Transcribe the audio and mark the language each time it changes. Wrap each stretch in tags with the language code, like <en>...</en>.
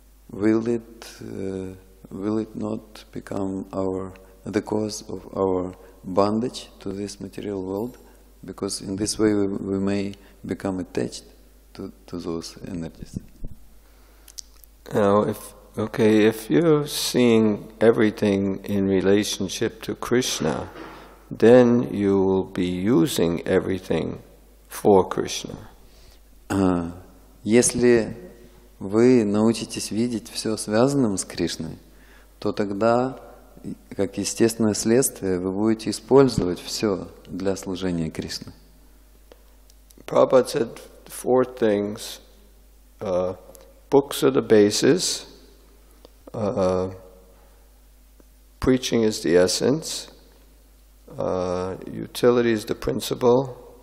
<en>will it not become the cause of our bondage to this material world, because in this way we may become attached to those energies. Now, if you're seeing everything in relationship to Krishna, then you will be using everything for Krishna.</en> <ru>Если вы научитесь видеть все связанным с Кришной, то тогда как естественное следствие, вы будете использовать все для служения Кришне.</ru> <en>Prabhupada said four things. Books are the basis. preaching is the essence. Utility is the principle.</en>